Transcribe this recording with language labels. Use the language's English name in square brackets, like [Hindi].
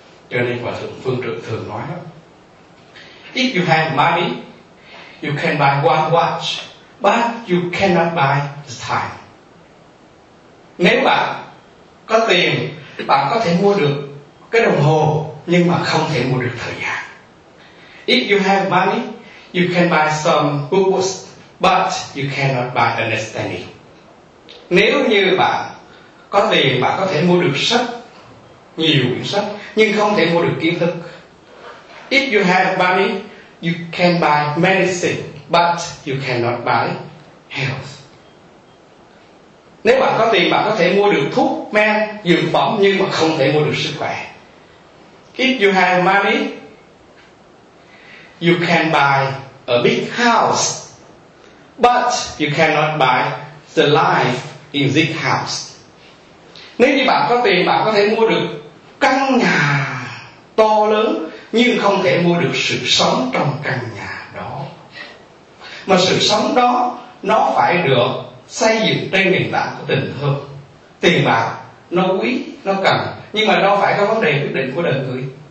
[Vietnamese] Cho nên hòa thượng Phương Trượng thường nói đó, [English] if you have money you can buy one watch but you cannot buy the time. [Vietnamese] Nếu bạn có tiền, bạn có thể mua được cái đồng hồ nhưng mà không thể mua được thời gian. [English] If you have money, you can buy some books, but you cannot buy understanding. [Vietnamese] Nếu như bạn có tiền, bạn có thể mua được sách, nhiều quyển sách, nhưng không thể mua được kiến thức. [English] If you have money, you can buy medicine, but you cannot buy health. [Vietnamese] Nếu bạn có tiền, bạn có thể mua được thuốc, men, dược phẩm, nhưng mà không thể mua được sức khỏe. [English] If you have money, you can buy a big house, but you cannot buy the life in this house. [Vietnamese] Nếu như bạn có tiền, bạn có thể mua được căn nhà to lớn, nhưng không thể mua được sự sống trong căn nhà đó. Mà sự sống đó, nó phải được xây dựng trên nền tảng của tình thương. Tiền bạc, nó quý, nó cần, nhưng mà nó phải có vấn đề quyết định của đời người.